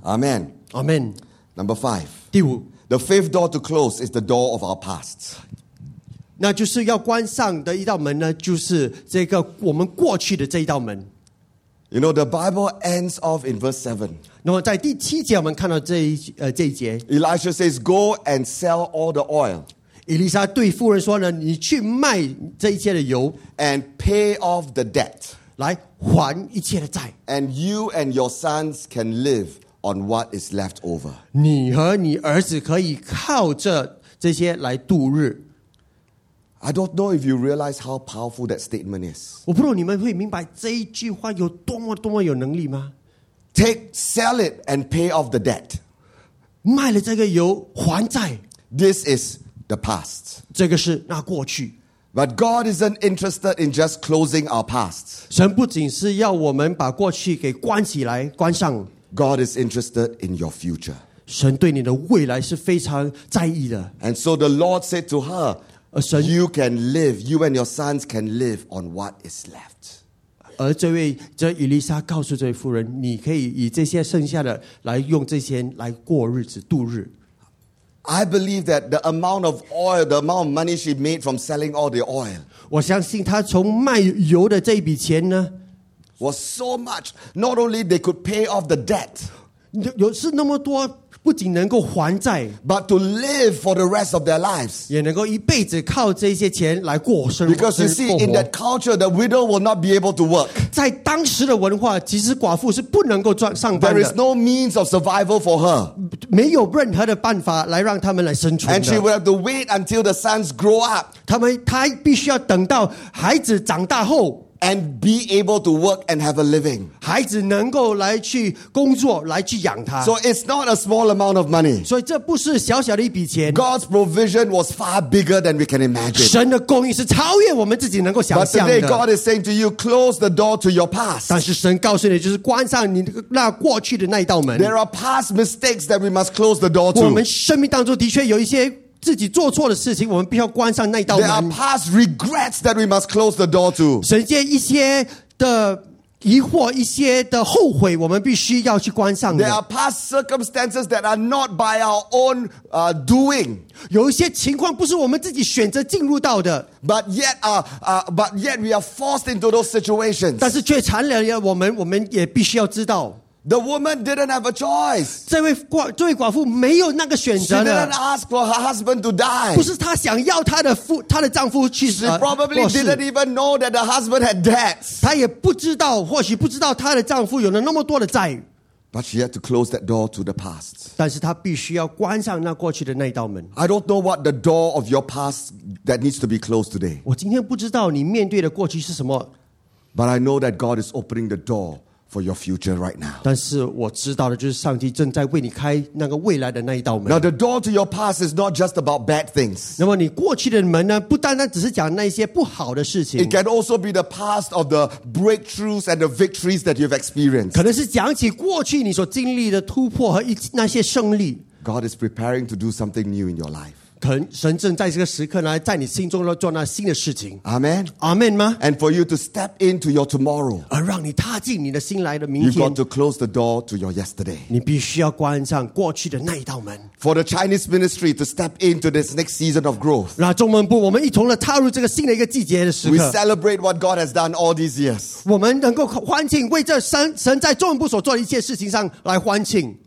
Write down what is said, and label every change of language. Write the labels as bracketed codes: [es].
[en] Amen. Amen. Number five. [zh] 第五。 [en] The fifth door to close is the door of our past. [zh] 那就是要关上的一道门呢，就是这个我们过去的这一道门。 [en] You know, the Bible ends off in verse 7. [zh] 那么在第七节我们看到这一节。 [en] Elisha says, go and sell all the oil. [zh] 伊丽莎对妇人说呢，你去卖这一切的油。 [en] And pay off the debt. [zh] 来还一切的债。 [en] And you and your sons can live on what is left over. [zh] 你和你儿子可以靠这些来度日。 [en] I don't know if you realize how powerful that statement is. [zh] 我不知道你们会明白这一句话有多么多么有能力吗？ [en] Take, sell it and pay off the debt. [zh] 卖了这个油还债。 [en] This is the past. [zh] 这个是那过去。 [en] But God isn't interested in just closing our past. [zh] 神不仅是要我们把过去给关起来，关上。 [en] God is interested in your future. [zh] 神对你的未来是非常在意的。 [en] And so the Lord said to her, [zh] 神, [en] you can live, you and your sons can live on what is left. [zh] 而这位这伊丽莎告诉这位妇人，你可以以这些剩下的来用这些来过日子度日。 [en] I believe that the amount of oil, the amount of money she made from selling all the oil, [zh] 我相信她从卖油的这笔钱呢 [en] was so much. Not only they could pay off the debt, [zh] 有是那么多。不仅能够还债 [en] but to live for the rest of their lives. [zh] 也能够一辈子靠这些钱来过生活。 [en] Because you see, in that culture, the widow will not be able to work. [zh] 在当时的文化，其实寡妇是不能够赚上班的。 [en] There is no means of survival for her. [zh] 没有任何的办法来让他们来生存的。 [en] And she will have to wait until the sons grow up. [zh] 她必须要等到孩子长大后。 [en] And be able to work and have a living. [zh] 孩子能够来去工作，来去养他。 [en] So it's not a small amount of money. [zh] 所以这不是小小的一笔钱。 [en] God's provision was far bigger than we can imagine. [zh] 神的供应是超越我们自己能够想象的。 [en] But today God is saying to you, close the door to your past. [zh] 但是神告诉你，就是关上你那过去的那一道门。 [en] There are past mistakes that we must close the door to. [zh] 我们生命当中的确有一些。自己做错的事情，我们必须要关上那道门。 [en] There are past regrets that we must close the door to. [zh] 神界一些的疑惑，一些的后悔，我们必须要去关上的。 [en] There are past circumstances that are not by our own doing. [zh] 有一些情况不是我们自己选择进入到的。 [en] But yet we are forced into those situations. [zh] 但是却残忍了我们也必须要知道。 [en] The woman didn't have a choice. [zh] 这位寡妇没有那个选择 [en] 的。She didn't ask for her husband to die. [zh] 不是她想要她的丈夫去死。 [en] She probably didn't even know that the husband had debts. [zh] 她也不知道，或许不知道她的丈夫有了那么多的债。 [en] But she had to close that door to the past. [zh] 但是她必须要关上那过去的那一道门。 [en] I don't know what the door of your past that needs to be closed today. [zh] 我今天不知道你面对的过去是什么。 [en] But I know that God is opening the door. For your future right now. [zh] 但是我知道的就是上帝正在为你开那个未来的那一道门。 [en] Now the door to your past is not just about bad things. [zh] 那么你过去的门呢，不单单只是讲那些不好的事情。 [en] It can also be the past of the breakthroughs and the victories that you've experienced. [zh] 可能是讲起过去你所经历的突破和那些胜利。 [en] God is preparing to do something new in your life. [zh] 可能神正在这个时刻呢，在你心中做那新的事情。 [en] Amen. [zh] Amen 吗 [en] ？And for you to step into your tomorrow. [zh] 而让你踏进你的新来的明天。 [en] You've got to close the door to your yesterday. [zh] 你必须要关上过去的那一道门。 [en] For the Chinese ministry to step into this next season of growth. [zh] 那中文部，我们一同的踏入这个新的一个季节的时刻。 [en] We celebrate what God has done all these years. [zh] 我们能够欢庆为这神在中文部所做的一切事情上来欢庆。